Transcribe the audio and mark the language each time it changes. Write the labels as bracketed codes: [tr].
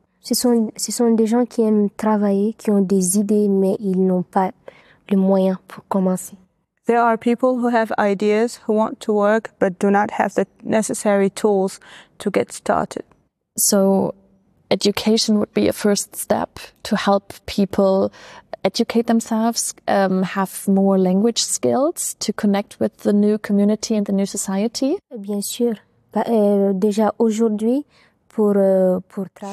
[fr] Ce sont des gens qui aiment travailler, qui ont des idées, mais ils n'ont pas le moyen pour commencer. [en] There are people who have ideas, who want to work, but do not have the necessary tools to get started. So education would be a first step to help people educate themselves, have more language skills to connect with the new community and the new society? [fr] Bien sûr. Déjà aujourd'hui, pour travailler.